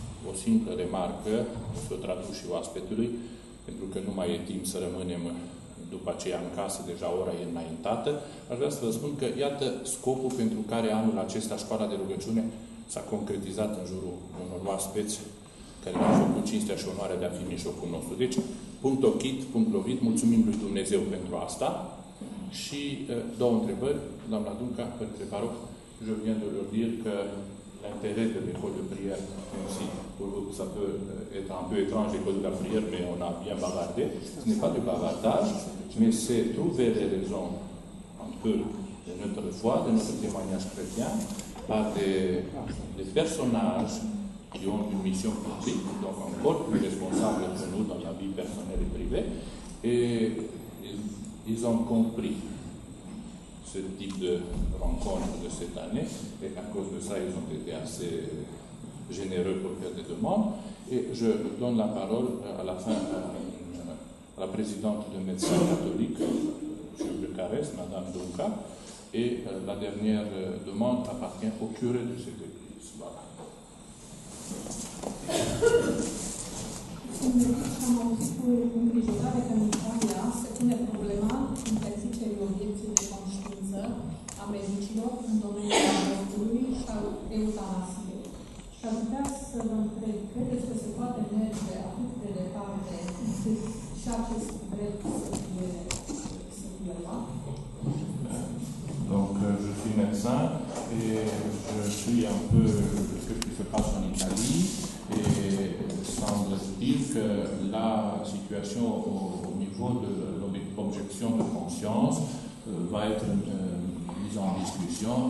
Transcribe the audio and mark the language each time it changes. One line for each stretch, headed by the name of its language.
Romanian: O simplă remarcă, să o traduc și oaspetului, pentru că nu mai e timp să rămânem după aceea în casă, deja ora e înaintată. Aș vrea să vă spun că iată scopul pentru care anul acesta școala de rugăciune s-a concretizat în jurul unor oaspeți care ne-au făcut cinstea și onoarea de a fi mijlocul nostru. Deci, punct ochit, punct lovit, mulțumim lui Dumnezeu pentru asta. Și două întrebări, doamna Dunca, părintele paroc,
French: je viens de leur dire că l'intérêt de l'école de prière, même si pour vous ça peut être un peu étrange l'école de la prière, mais on a bien bavardé, ce n'est pas du bavardage, mais c'est trouver des raisons un peu de notre foi, de notre témoignage chrétien, par des personnages qui ont une mission publique, donc encore plus responsables que nous dans la vie personnelle et privée, et ils ont compris ce type de rencontre de cette année, et à cause de ça, ils ont été assez généreux pour faire des demandes. Et je donne la parole à la fin à la présidente de Médecins catholiques, Jules de Carès, Madame Dunca, et la dernière demande appartient au curé de cette église. Voilà.
Romanian: Am auzit cu îngrijorare că în Italia se pune problema interzicerii obiecției de conștiință a medicilor în domeniul abortului și al eutanasiei. Și aș vrea să vă întreb, credeți că se poate merge atât de departe încât și acest drept să fie luat?
French: Donc, je suis médecin et je suis un peu ce qui se passe en Italie et semble-t-il que la situation au niveau de l'objection de conscience va être mise en discussion.